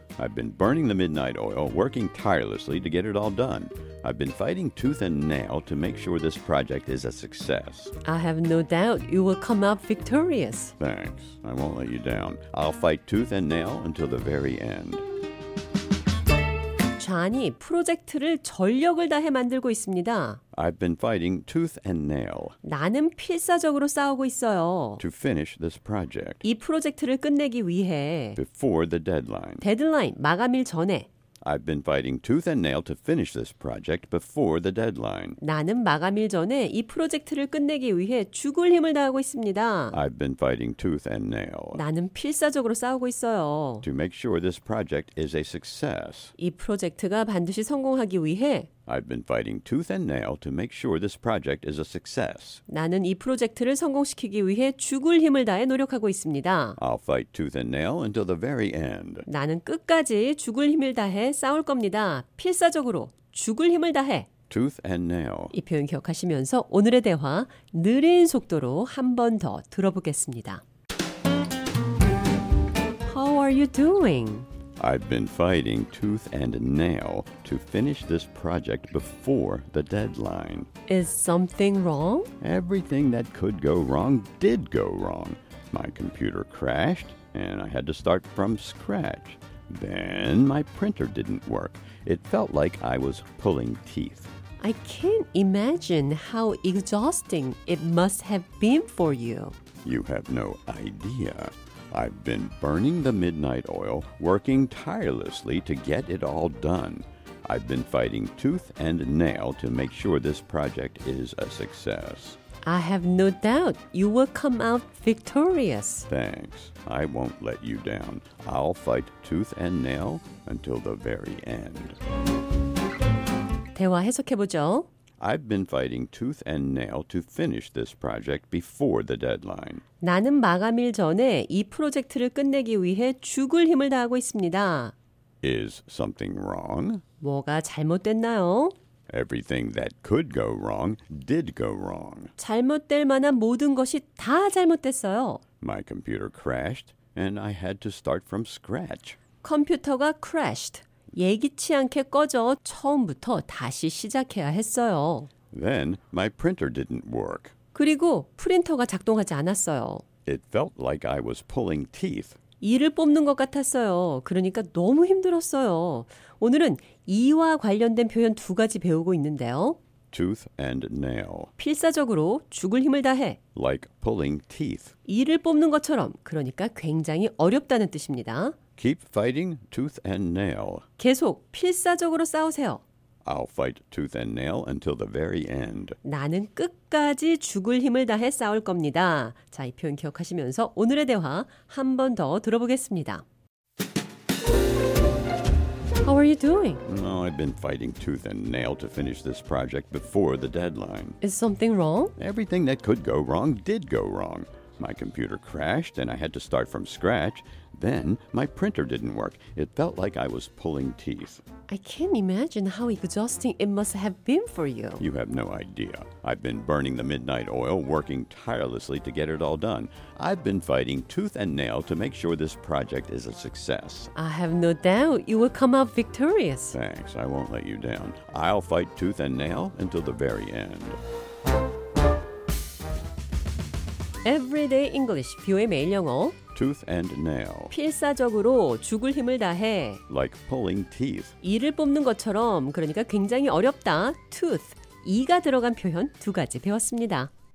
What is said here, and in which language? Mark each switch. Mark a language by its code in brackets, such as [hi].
[en] I've been burning the midnight oil, working tirelessly to get it all done. I've been fighting tooth and nail to make sure this project is a success. I have no doubt you will come out victorious. Thanks. I won't let you down. I'll fight tooth and nail until the very end. [ko] 존이 프로젝트를 전력을 다해 만들고 있습니다. [en] I've been fighting tooth and nail. [ko] 나는 필사적으로 싸우고 있어요. [en] To finish this project. [ko] 이 프로젝트를 끝내기 위해. [en] Before the deadline. [ko] 데드라인 마감일 전에. [en] I've been fighting tooth and nail to finish this project before the deadline. [ko] 나는 마감일 전에 이 프로젝트를 끝내기 위해 죽을 힘을 다하고 있습니다. [en] I've been fighting tooth and nail. [ko] 나는 필사적으로 싸우고 있어요. [en] To make sure this project is a success. [ko] 이 프로젝트가 반드시 성공하기 위해 [en] I've been fighting tooth and nail to make sure this project is a success. [ko] 나는 이 프로젝트를 성공시키기 위해 죽을 힘을 다해 노력하고 있습니다. [en] I'll fight tooth and nail until the very end. [ko] 나는 끝까지 죽을 힘을 다해 싸울 겁니다. 필사적으로 죽을 힘을 다해. [en] Tooth and nail. [ko] 이 표현 기억하시면서 오늘의 대화 느린 속도로 한 번 더 들어보겠습니다. [en] How are you doing? I've been fighting tooth and nail to finish this project before the deadline. Is something wrong? Everything that could go wrong did go wrong. My computer crashed and I had to start from scratch. Then my printer didn't work. It felt like I was pulling teeth. I can't imagine how exhausting it must have been for you. You have no idea. I've been burning the midnight oil, working tirelessly to get it all done. I've been fighting tooth and nail to make sure this project is a success. I have no doubt you will come out victorious. Thanks. I won't let you down. I'll fight tooth and nail until the very end. [ko] 대화 해석해보죠. [en] I've been fighting tooth and nail to finish this project before the deadline. [ko] 나는 마감일 전에 이 프로젝트를 끝내기 위해 죽을 힘을 다하고 있습니다. [en] Is something wrong? [ko] 뭐가 잘못됐나요? [en] Everything that could go wrong did go wrong. [ko] 잘못될 만한 모든 것이 다 잘못됐어요. [en] My computer crashed and I had to start from scratch. [ko] 컴퓨터가 crashed. 예기치 않게 꺼져 처음부터 다시 시작해야 했어요. [en] Then my printer didn't work. [ko] 그리고 프린터가 작동하지 않았어요. [en] It felt like I was pulling teeth. [ko] 이를 뽑는 것 같았어요. 그러니까 너무 힘들었어요. 오늘은 이와 관련된 표현 두 가지 배우고 있는데요. [en] Tooth and nail. [ko] 필사적으로 죽을 힘을 다해. [en] Like pulling teeth. [ko] 이를 뽑는 것처럼 그러니까 굉장히 어렵다는 뜻입니다. [en] Keep fighting tooth and nail. [ko] 계속 필사적으로 싸우세요. [en] I'll fight tooth and nail until the very end. [ko] 나는 끝까지 죽을 힘을 다해 싸울 겁니다. 자, 이 표현 기억하시면서 오늘의 대화 한 번 더 들어보겠습니다. [en] How are you doing? Oh, I've been fighting tooth and nail to finish this project before the deadline. Is something wrong? Everything that could go wrong did go wrong. My computer crashed and I had to start from scratch. Then my printer didn't work. It felt like I was pulling teeth. I can't imagine how exhausting it must have been for you. You have no idea. I've been burning the midnight oil, working tirelessly to get it all done. I've been fighting tooth and nail to make sure this project is a success. I have no doubt you will come out victorious. Thanks. I won't let you down. I'll fight tooth and nail until the very end. [ko] Everyday English, 뷰의 매일 영어. [en] Tooth and nail. [ko] 필사적으로 죽을 힘을 다해. [en] Like pulling teeth. [ko] 이를 뽑는 것처럼, 그러니까 굉장히 어렵다. Tooth, 이가 들어간 표현 두 가지 배웠습니다.